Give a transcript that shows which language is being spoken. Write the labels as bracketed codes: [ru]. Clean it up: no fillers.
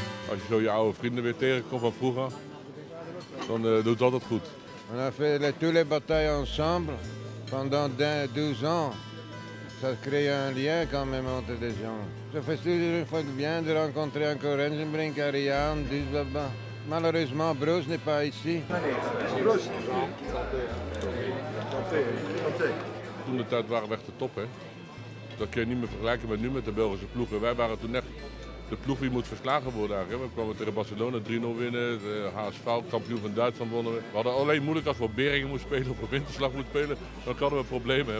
[nl] Als je zo je oude vrienden weer tegenkomt van vroeger, dan doet dat het goed. [fr] On a fait les, tous les batailles ensemble pendant 12 ans. Ça crée un lien quand même entre les gens. Ça fait toujours fois de bien de rencontrer encore Enzenbrink, Ariane, Dizbaba. Malheureusement, Bruce n'est pas ici. [nl] Toen de tijd waren we echt de top, hè. Dat kun je niet meer vergelijken met nu met de Belgische ploegen. Wij waren toen echt de ploeg die moet verslagen worden eigenlijk. We kwamen tegen Barcelona 3-0 winnen, de HSV, kampioen van Duitsland wonnen. We hadden alleen moeilijk als we op Beringen moesten spelen of op Winterslag moesten spelen. Dan hadden we problemen, hè.